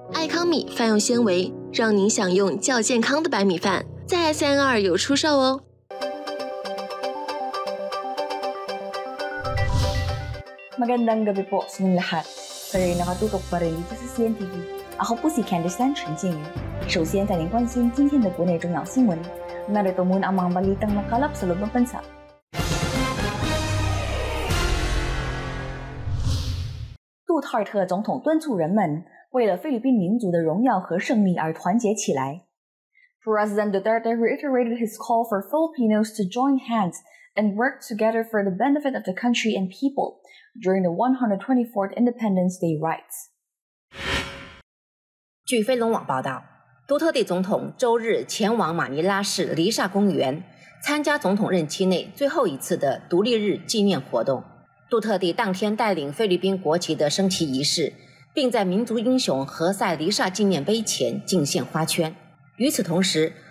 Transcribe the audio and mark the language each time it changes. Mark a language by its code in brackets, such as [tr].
[zh] 爱康米饭用纤维，让您享用较健康的白米饭，在 SNR 有出售哦。 [tl] Magandang gabi po sa inyong lahat. Kaya nakatutok pa rin dito sa CNTV. Ako po si Candice Tan Chun Jing. [zh] 首先带您关心今天的国内重要新闻。 [tl] Narito muna ang mga balitang nakalap sa loob ng bansa. [zh] Duterte 总统敦促人们为了菲律宾民族的荣耀和胜利而团结起来。 [en] President Duterte reiterated his call for Filipinos to join hands and work together for the benefit of the country and people during the 124th Independence Day rites. [zh] 据飞龙网报道，杜特蒂总统周日前往马尼拉市黎萨公园，参加总统任期内最后一次的独立日纪念活动。杜特蒂当天带领菲律宾国旗的升旗仪式，并在民族英雄何塞黎萨纪念碑前敬献花圈。与此同时，